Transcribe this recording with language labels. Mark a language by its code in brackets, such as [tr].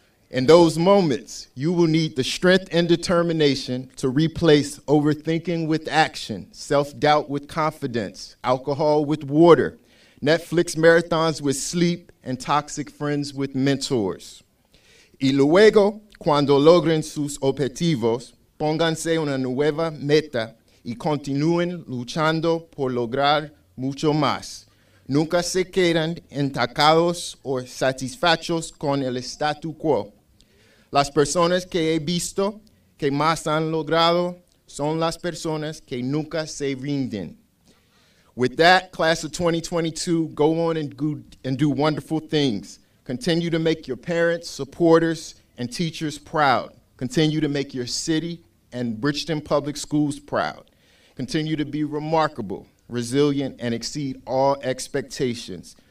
[en] In those moments, you will need the strength and determination to replace overthinking with action, self-doubt with confidence, alcohol with water, Netflix marathons with sleep, and toxic friends with mentors. [es] Y luego, cuando logren sus objetivos, pónganse una nueva meta y continúen luchando por lograr mucho más. Nunca se quedan entacados o satisfechos con el statu quo. Las personas que he visto que más han logrado son las personas que nunca se rinden. [en] With that, class of 2022, go on and do wonderful things. Continue to make your parents, supporters, and teachers proud. Continue to make your city and Bridgeton Public Schools proud. Continue to be remarkable, resilient, and exceed all expectations.